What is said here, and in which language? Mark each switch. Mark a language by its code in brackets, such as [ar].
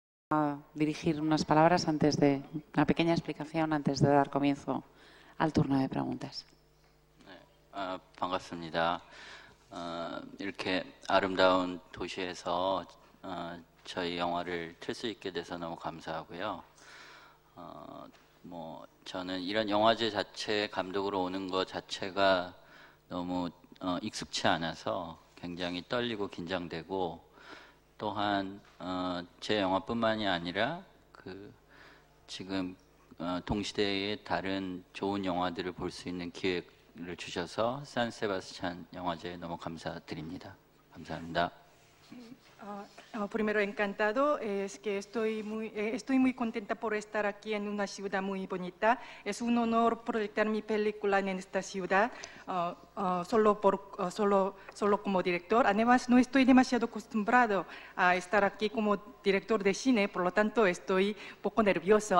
[es] A dirigir unas palabras antes de una pequeña explicación antes de dar comienzo al turno de preguntas. [ko] 네, 아, 반갑습니다. 이렇게 아름다운 도시에서 저희 영화를 틀 수 있게 돼서 너무 감사하고요. 뭐 저는 이런 영화제 자체 감독으로 오는 것 자체가 너무 익숙치 않아서 굉장히 떨리고 긴장되고. 또한 제 영화뿐만이 아니라 그 지금 동시대의 다른 좋은 영화들을 볼 수 있는 기회를 주셔서 산세바스찬 영화제에 너무 감사드립니다. 감사합니다. [es] Primero encantado, es que estoy muy contenta por estar aquí en una ciudad muy bonita. Es un honor proyectar mi película en esta ciudad solo como director. Además, no estoy demasiado acostumbrado a estar aquí como director de cine, por lo tanto, estoy un poco nervioso.